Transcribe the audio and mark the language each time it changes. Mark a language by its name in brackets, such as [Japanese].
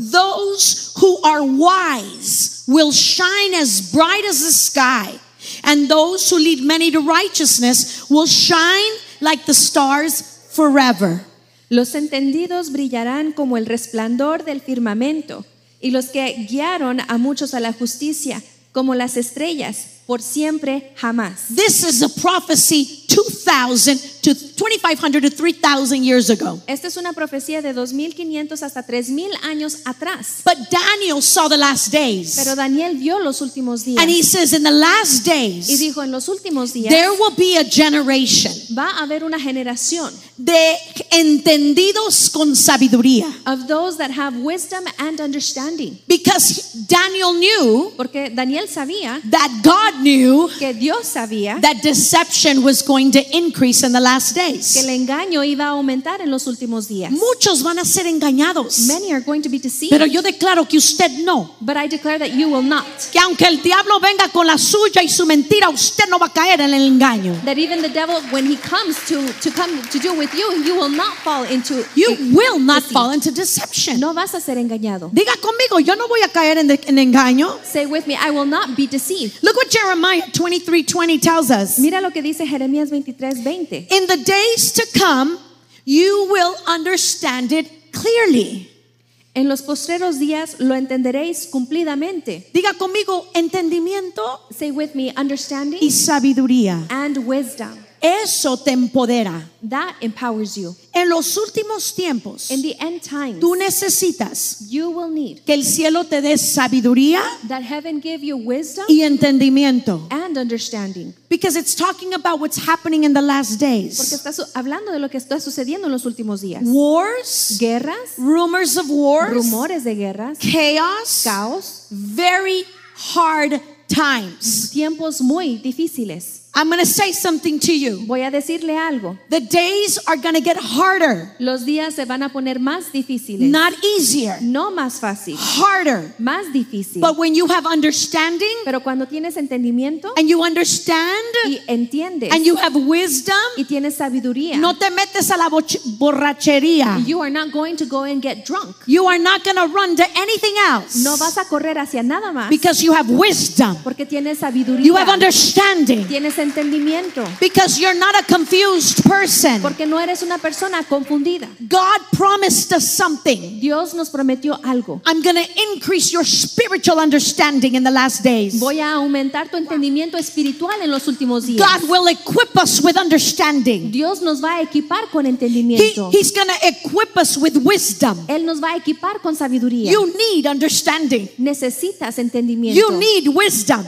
[English] Those who are wise will shine as bright as the sky, and those who lead many to righteousness will shine like the stars forever. [Spanish] Los entendidos brillarán como el resplandor del firmamento, y los que guiaron a muchos a la justicia como las estrellas por siempre jamás. [English] This is a prophecy 2,000 to 2,500 to 3,000 years ago. [Spanish] Esta es una profecía de 2,500 hasta 3,000 años atrás. [English] But Daniel saw the last days. [Spanish] Pero Daniel vio los últimos días. [English] And he says in the last days. [Spanish] Y dijo en los últimos días. [English] There will be a generation. [Spanish] Va a haber una generación. De entendidos con sabiduría. [English] Of those that have wisdom and understanding. Because Daniel knew. [Spanish] Porque Daniel sabía. [English] That God knew. [Spanish] Que Dios sabía. [English] That deception was going to increase in the last days. [Spanish] Que el engaño iba a aumentar en los últimos días. Muchos van a ser engañados. [English] Many are going to be deceived. [Spanish] Pero yo declaro que usted no. [English] But I declare that you will not. [Spanish] Que aunque el diablo venga con la suya y su mentira, usted no va a caer en el engaño. [English] That even the devil, when he comes to come to deal with you, you will not fall into. You will not fall into deception. [Spanish] No vas a ser engañado. Diga conmigo, yo no voy a caer en engaño. [English] Say with me, I will not be deceived. Look what Jeremiah 23:20 tells us. [Spanish] Mira lo que dice Jeremías 23:20. [English] In the days to come, you will understand it clearly. [Spanish] En los postreros días lo entenderéis cumplidamente. Diga conmigo entendimiento. [English] Say with me, understanding. [Spanish] Y sabiduría. [English] And wisdom. [Spanish] Eso te empodera. [English] That empowers you. [Spanish] En los últimos tiempos, [English] in the end times, [Spanish] tú necesitas, [English] you will need, [Spanish] que el cielo te dé sabiduría, [English] that heaven give you wisdom, [Spanish] y entendimiento, [English] and understanding, because it's talking about what's happening in the last days. [Spanish] Porque está hablando de lo que está sucediendo en los últimos días. [English] Wars, [Spanish] guerras, [English] rumors of wars, [Spanish] rumores de guerras, [English] chaos, [Spanish] caos, [English] very hard times, [Spanish] tiempos muy difíciles. [English] I'm going to say something to you. [Spanish] Voy a decirle algo. [English] The days are going to get harder. [Spanish] Los días se van a poner más difíciles. [English] Not easier. [Spanish] No más fácil. [English] Harder. [Spanish] Más difícil. [English] But when you have understanding, [Spanish] pero cuando tienes entendimiento, [English] and you understand, [Spanish] y entiendes, [English] and you have wisdom, [Spanish] y tienes sabiduría, no te metes a la borrachería. [English] You are not going to go and get drunk. You are not going to run to anything else. [Spanish] No vas a correr hacia nada más. [English] Because you have wisdom. [Spanish] Porque tienes sabiduría. [English] You have understanding. Because you're not a confused person. [Spanish] Porque no eres una persona confundida. [English] God promised us something. [Spanish] Dios nos prometió algo. [English] I'm going to increase your spiritual understanding in the last days. [Spanish] Voy a aumentar tu entendimiento espiritual en los últimos días. [English] God will equip us with understanding. [Spanish] Dios nos va a equipar con entendimiento. [English] He's going to equip us with wisdom. [Spanish] Él nos va a equipar con sabiduría. [English] You need understanding. [Spanish] Necesitas entendimiento. [English] You need wisdom.